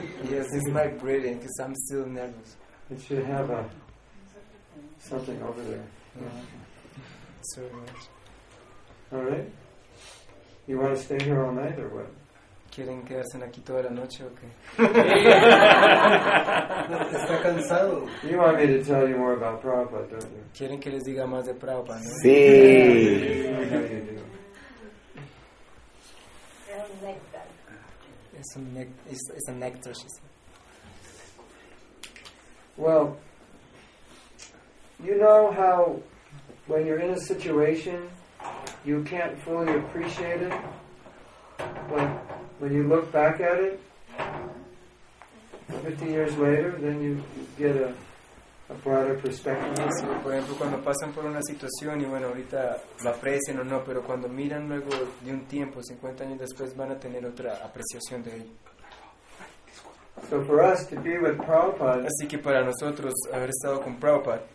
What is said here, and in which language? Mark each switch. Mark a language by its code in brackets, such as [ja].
[en] Yes, it's like breathing because I'm still nervous. It should have a something over there. Yeah. So much. All right. You want to stay here all night or what? [es] ¿Quieren quedarse aquí toda la noche o qué? Está cansado. [en] You want me to tell you more about Prabhupada, don't you? [es] ¿Quieren que les diga más de Prabhupada, no? Sí. Es un néctar, [en] she said. Well, you know how when you're in a situation, you can't fully appreciate it. When you look back at it 50 years later, then you get a a broader perspective. [es] Sí, por ejemplo, cuando pasan por una situación y bueno, ahorita la aprecian o no, pero cuando miran luego de un tiempo, 50 años después, van a tener otra apreciación de ello. [en] So for us to be with Prabhupada, [es] así que para nosotros haber estado con Prabhupada,